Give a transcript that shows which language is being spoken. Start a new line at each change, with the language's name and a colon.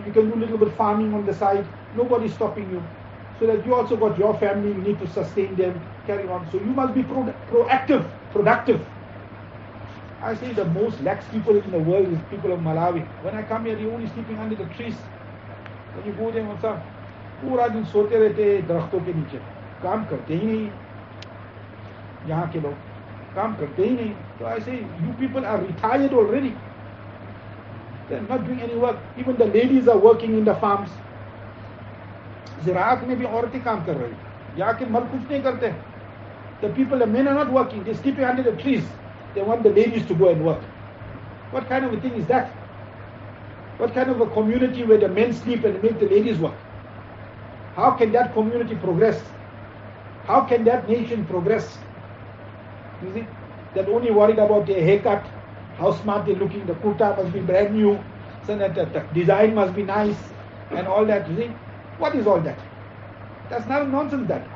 English: You can do a little bit farming on the side. Nobody's stopping you. So that you also got your family. You need to sustain them, carry on. So you must be proactive, productive. I say the most lax people in the world is people of Malawi. When I come here, they're only sleeping under the trees. When you go there, what's up?
Hindi: पूरा दिन सोते रहते हैं दरख्तों के नीचे, काम करते ही नहीं. यहाँ के लोग काम करते ही नहीं.
English: तो ऐसे you people are retired already, they are not doing any work. Even the ladies are working in the farms.
Hindi: ज़राअत में भी औरतें काम कर रही, यहाँ के मर्द कुछ नहीं करते.
English: The people the men are not working, they sleeping under the trees, they want the ladies to go and work. What kind of a thing is that? What kind of a community where the men sleep and make the ladies work? How can that community progress? How can that nation progress? You see, they're only worried about their haircut, how smart they're looking, the kurta must be brand new, so that the design must be nice, and all that, you see. What is all that? That's not nonsense that.